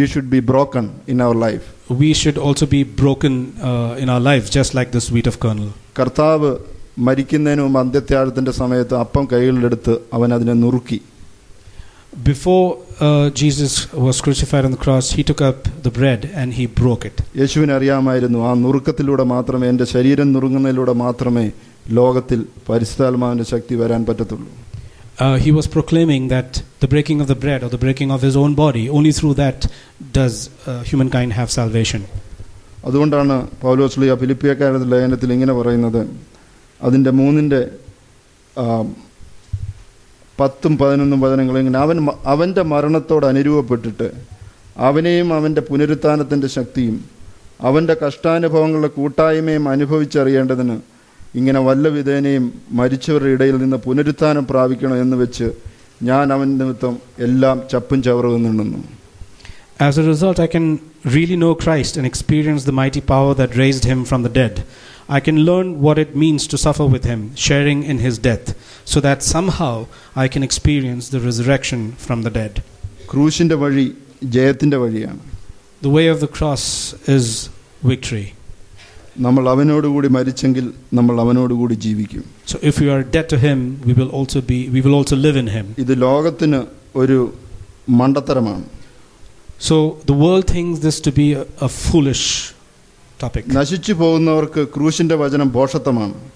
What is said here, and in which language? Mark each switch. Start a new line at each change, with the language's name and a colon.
English: We should be broken in our life. We should also be broken in our life, just like this wheat of kernel.
Malayalam: കർത്താവ് മരിക്കുന്നതിനു മുമ്പ് അന്ത്യത്യാഗത്തിന്റെ സമയത്ത് അപ്പം കൈകളിലെടുത്ത് അവൻ അതിനെ നുറുക്കി.
English: Before Jesus was crucified on the cross, he took up the bread and he broke it.
Malayalam: യേശുവിന് അറിയാമായിരുന്നു, ആ നുറുക്കത്തിലൂടെ മാത്രമേ, എൻ്റെ ശരീരം നുറുങ്ങുന്നതിലൂടെ മാത്രമേ ലോകത്തിൽ പരിശുദ്ധാത്മാവിന്റെ ശക്തി വരാൻ പറ്റത്തുള്ളൂ.
English: He was proclaiming that the breaking of the bread or the breaking of his own body, only through that does humankind have salvation.
Malayalam: അതുകൊണ്ടാണ് പൗലോസ് ലീ ഫിലിപ്പിയക്കാരുടെ ലേഖനത്തിൽ ഇങ്ങനെ പറയുന്നത്, അതിൻ്റെ 3:10-11 വചനങ്ങൾ ഇങ്ങനെ, അവൻ്റെ മരണത്തോട് അനുരൂപപ്പെട്ടിട്ട് അവനെയും അവൻ്റെ പുനരുത്ഥാനത്തിൻ്റെ ശക്തിയും അവൻ്റെ കഷ്ടാനുഭവങ്ങളുടെ കൂട്ടായ്മയും അനുഭവിച്ചറിയേണ്ടതിന് ഇങ്ങനെ വല്ല വിധേനയും മരിച്ചവരുടെ ഇടയിൽ നിന്ന് പുനരുത്ഥാനം പ്രാപിക്കണം എന്ന് വെച്ച് ഞാൻ അവൻ നിമിത്തം എല്ലാം ചപ്പും ചവറും നിന്നു.
English: As a result, I can really know Christ and experience the mighty power that raised him from the dead. I can learn what it means to suffer with him, sharing in his death, so that somehow I can experience the resurrection from the dead.
Malayalam: ക്രൂശിന്റെ വഴി ജയത്തിന്റെ വഴിയാണ്.
English: The way of the cross is victory.
Malayalam: നമ്മൾ അവനോട് കൂടി മരിച്ചെങ്കിൽ നമ്മൾ അവനോട് കൂടി ജീവിക്കും.
English: So if we are dead to him, we will also live in him.
Malayalam: ഇത് ലോകത്തിന് ഒരു മണ്ടത്തരമാണ്.
English: So the world thinks this to be a foolish topic.
Malayalam: നശിച്ചു പോകുന്നവർക്ക് ക്രൂശിന്റെ വചനം ഭോഷത്തമാണ്.